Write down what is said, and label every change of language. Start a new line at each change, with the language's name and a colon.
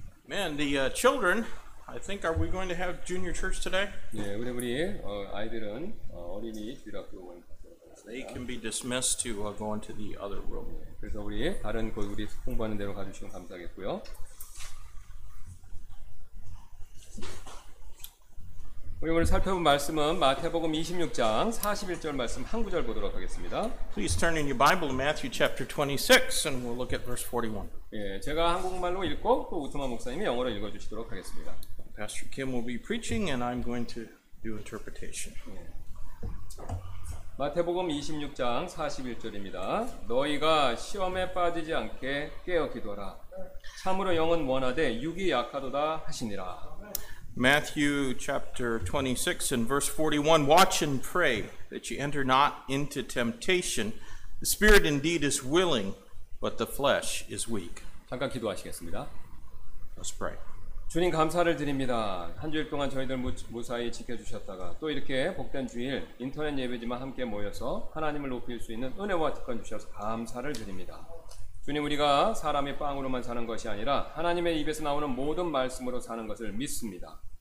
English: And the children, I think, are we going to have junior church today?
Korean: 네, 우리 아이들은 어린이 주일학교 오는 것 같습니다.
English: They can be dismissed to go into the other room.
Korean: 네, 그래서 우리 다른 곳 우리 공부하는 데로 가주시면 감사하겠고요.
English: Please turn in your Bible to Matthew chapter 26 and we'll look at verse 41.
Korean: 예, 제가 한국말로 읽고 또 우토마 목사님이 영어로 읽어 주시도록 하겠습니다.
English: Pastor Kim will be preaching and I'm going to do interpretation.
Korean: 예. 마태복음 26장 41절입니다. 너희가 시험에 빠지지 않게 깨어 기도하라. 참으로 영은 원하되 육이 약하도다 하시니라.
English: Matthew chapter 26 and verse 41, watch and pray that you enter not into temptation. The spirit indeed is willing, but the flesh is weak.
Korean: 잠깐 기도하시겠습니다.
English: Let's pray.
Korean: 주님 감사를 드립니다. 한 주일 동안 저희들 무사히 지켜주셨다가 또 이렇게 복된 주일 인터넷 예배지만 함께 모여서 하나님을 높일 수 있는 은혜와 특권 주셔서 감사를 드립니다. 주님 우리가 사람의 빵으로만 사는 것이 아니라 하나님의 입에서 나오는 모든 말씀으로 사는 것을 믿습니다.